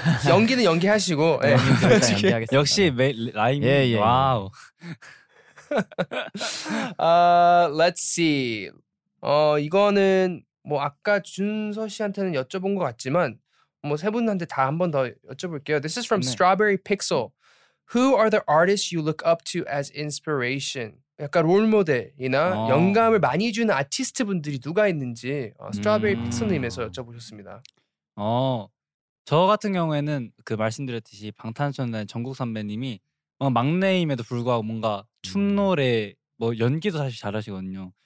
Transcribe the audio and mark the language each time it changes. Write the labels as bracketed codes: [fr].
[ko] 연기는 연기하시고. 네. 연기하겠습니다. 역시 라임. 예예. 예. 와우. [en] let's see. [ko] 이거는 뭐 아까 준서 씨한테는 여쭤본 것 같지만. 뭐 세 분한테 다 한 번 더 여쭤볼게요. [en] This is from 네. Strawberry Pixel. Who are the artists you look up to as inspiration? [ko] 약간 롤모델이나 어. 영감을 많이 주는 아티스트 분들이 누가 있는지 스트라베리 피츠님에서 여쭤보셨습니다. 어, 저 같은 경우에는 그 말씀드렸듯이 방탄소년단 정국 선배님이 막내임에도 불구하고 뭔가 춤 노래 뭐 연기도 사실 잘하시거든요.